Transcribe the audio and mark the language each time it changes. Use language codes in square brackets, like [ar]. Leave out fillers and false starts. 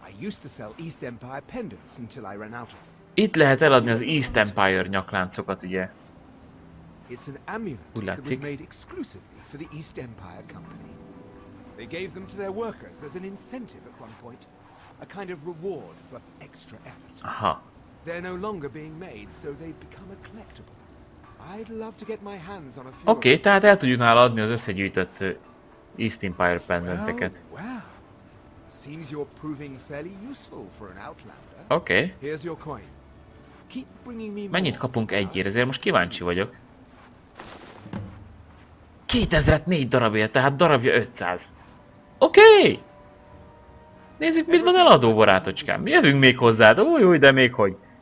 [en] I used to sell East Empire pendants until I ran out of them. [hu] Itt lehet eladni az East Empire nyakláncokat, ugye? [en] It's an amulet that was made exclusively for the East Empire company. They gave them to their workers as an incentive at one point, a kind of reward for extra effort. Aha. They're no longer being made, so they've become a collectible. I'd love to get my hands on a few. [hu] Okay, tehát el tudjuk nála adni az összegyűjtött East Empire pendenteket. [en] Seems you're proving fairly useful for an outlander. Okay. Here's your coin. Keep bringing me. [hu] Mennyit kapunk egyért? Ezért most kíváncsi vagyok. 2000-et 4 darabért, tehát darabja 500. Okay. Nézzük, mit van eladó, barátocskám. Jövünk még hozzád. Új, de még hogy.